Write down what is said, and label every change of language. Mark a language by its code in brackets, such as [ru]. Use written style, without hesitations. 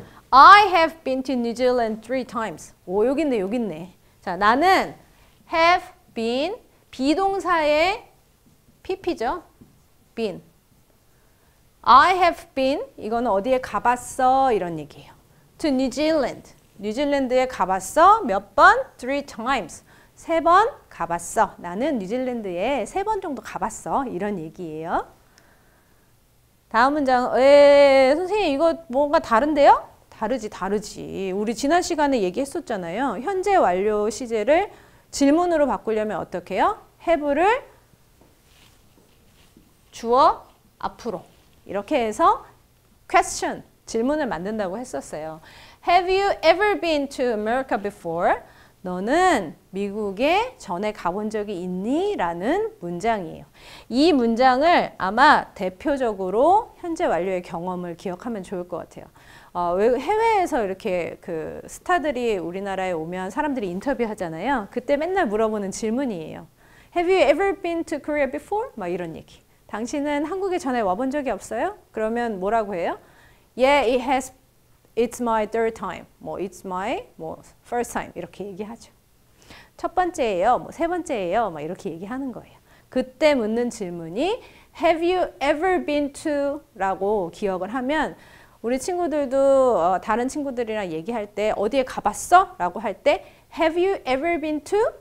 [en] I have been to New Zealand three times. [ko] 오, 여깄네, 여깄네. 자, 나는 have been, 비동사의 PP죠. been. I have been, 이거는 어디에 가봤어? 이런 얘기예요. To New Zealand. 뉴질랜드에 가봤어? 몇 번? Three times. 세 번 가봤어. 나는 뉴질랜드에 세 번 정도 가봤어. 이런 얘기예요. 다음 문장. 선생님 이거 뭔가 다른데요? 다르지, 다르지. 우리 지난 시간에 얘기했었잖아요. 현재 완료 시제를 질문으로 바꾸려면 어떻게요? have를 주어 앞으로. 이렇게 해서 question, 질문을 만든다고 했었어요. [en] Have you ever been to America before? [ko] 너는 미국에 전에 가본 적이 있니? 라는 문장이에요. 이 문장을 아마 대표적으로 현재 완료의 경험을 기억하면 좋을 것 같아요. 해외에서 이렇게 그 스타들이 우리나라에 오면 사람들이 인터뷰하잖아요. 그때 맨날 물어보는 질문이에요. [en] Have you ever been to Korea before? [ko] 막 이런 얘기. 당신은 한국에 전에 와본 적이 없어요? 그러면 뭐라고 해요? [en] Yeah, it's my third time. 뭐, it's my 뭐, first time. [ko] 이렇게 얘기하죠. 첫 번째예요. 뭐, 세 번째예요. 막 이렇게 얘기하는 거예요. 그때 묻는 질문이 [en] Have you ever been to? [ko] 라고 기억을 하면 우리 친구들도 다른 친구들이랑 얘기할 때 어디에 가봤어? 라고 할 때 [en] Have you ever been to?